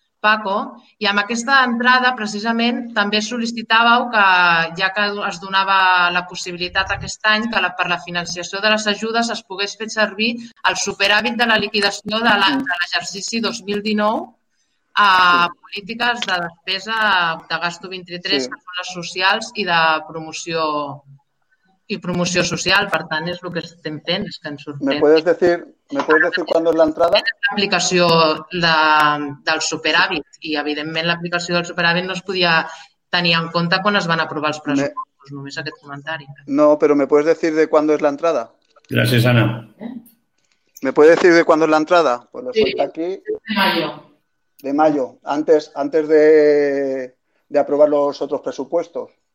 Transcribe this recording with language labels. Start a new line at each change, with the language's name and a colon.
Catalan: Paco, i amb aquesta entrada precisament també sol·licitàveu que, ja que es donava la possibilitat aquest any, que per la financiació de les ajudes es pogués fer servir el superàvit de la liquidació de l'exercici 2019 a polítiques de despesa de gasto 23, sí, que són les socials i de promoció i promoció social. Per tant, és el que estem fent, és que ens sorprèn.
Spanish: ¿Me puedes decir cuándo es la entrada?
Catalan: L'aplicació del superàvit, i evidentment l'aplicació del superàvit no es podia tenir en compte quan es van aprovar els pressupostos, només aquest comentari.
Spanish: No,
Catalan: però
Spanish: ¿me puedes decir de cuándo es la entrada?
Catalan: Gràcies, Anna.
Spanish: ¿Me puedes decir de cuándo es la entrada? Pues lo suelta aquí. De mayo. De mayo, antes de aprobar los otros presupuestos.